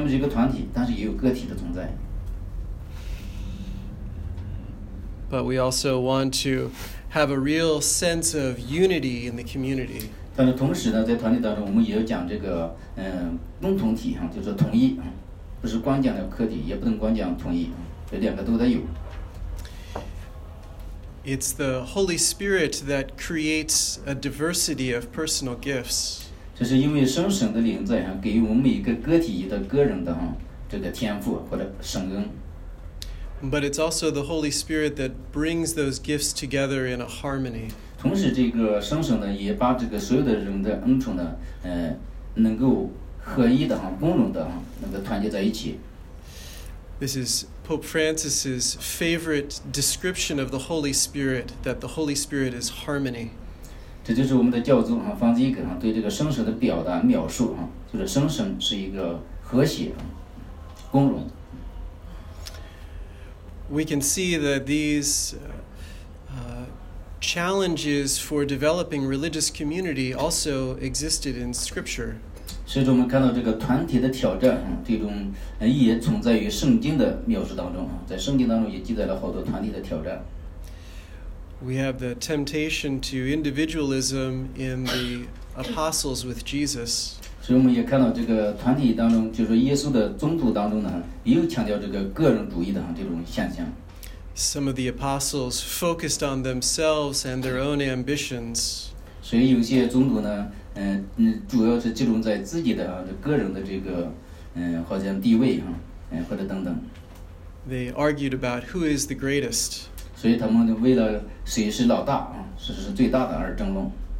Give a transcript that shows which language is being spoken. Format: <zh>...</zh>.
<zh>所以说在一个真正团体当中，我们也应该有一个，好像既是团体，但是有一个个体，就像这个戴彩色的这个女士一样，虽然是一个团体，但是也有个体的存在。</zh> <en>But we also want to have a real sense of unity in the community.</en> <zh>但是同时呢，在团体当中，我们也要讲这个，共同体哈，就是统一，不是光讲的客体，也不能光讲统一，这两个都得有。</zh> <en>It's the Holy Spirit that creates a diversity of personal gifts.</en> <zh>这是因为圣神的灵在哈，给予我们每一个个体的个人的哈这个天赋或者神恩。</zh> <en>But it's also the Holy Spirit that brings those gifts together in a harmony.</en> <zh>同时，这个圣神呢，也把这个所有的人的恩宠呢，能够合一的哈，共融的哈，能够团结在一起。</zh> <en>This is Pope Francis's favorite description of the Holy Spirit, that the Holy Spirit is harmony.</en> <zh>这就是我们的教宗哈，方济各哈，对这个圣神的表达描述哈，就是圣神是一个和谐、共融。</zh> <en>We can see that these challenges for developing religious community also existed in Scripture.</en> <zh>所以我们看到这个团体的挑战，这种也存在于圣经的描述当中，在圣经当中也记载了好多团体的挑战。</zh> <en>We have the temptation to individualism in the apostles with Jesus.</en> <zh>所以我们也看到这个团体当中，就是耶稣的宗徒当中呢，也有强调这个个人主义的这种现象。</zh> <en>Some of the apostles focused on themselves and their own ambitions.</en> <zh>所以有些宗徒呢，主要是集中在自己的个人的这个，好像地位哈，或者等等。</zh> <en>They argued about who is the greatest.</en> <zh>所以他们为了谁是老大啊，谁是最大的而争论。</zh>